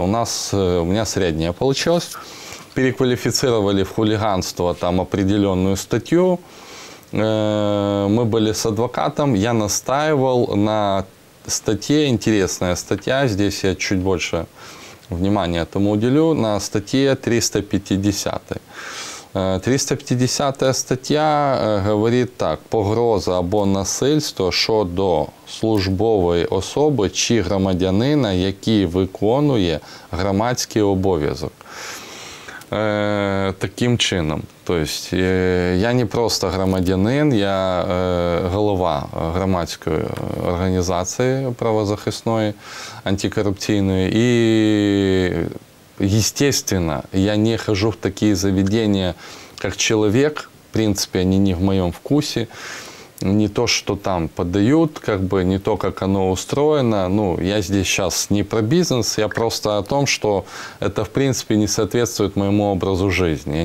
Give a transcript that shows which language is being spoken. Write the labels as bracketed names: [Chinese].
[Russian] У меня средняя получилась. Переквалифицировали в хулиганство там определенную статью. мы были с адвокатом, я настаивал на статье, интересная статья, здесь я чуть больше внимания этому уделю, на статье 350. 350 статья говорит так: [Ukrainian] погроза або насильство щодо службової особи чи громадянина, який виконує громадський обов'язок. Таким чином. Тобто я не просто громадянин, я голова громадської організації правозахисної, антикорупційної. І, [Russian] естественно, я не хожу в такие заведения, как человек. В принципе, они не в моем вкусе. Не то, что там подают, как бы не то, как оно устроено. Ну, я здесь сейчас не про бизнес, я просто о том, что это, в принципе, не соответствует моему образу жизни.